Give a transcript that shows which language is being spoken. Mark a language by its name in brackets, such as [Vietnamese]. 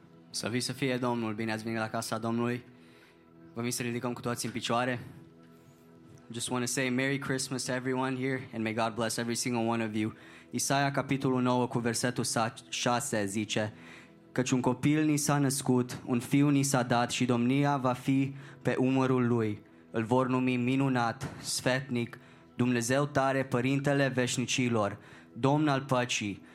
[Romanian] Să vii să fie Domnul, bine ați venit la casa Domnului. Vă vin să ridicăm cu toți în picioare. [English] Just want to say Merry Christmas to everyone here and may God bless every single one of you. [Romanian] Isaia capitolul 9 cu versetul 6 zice: căci un copil ni s-a născut, un fiu ni s-a dat și domnia va fi pe umărul lui. Îl vor numi Minunat, Sfetnic, Dumnezeu Tare, Părintele Veșnicilor, Domn al Păcii.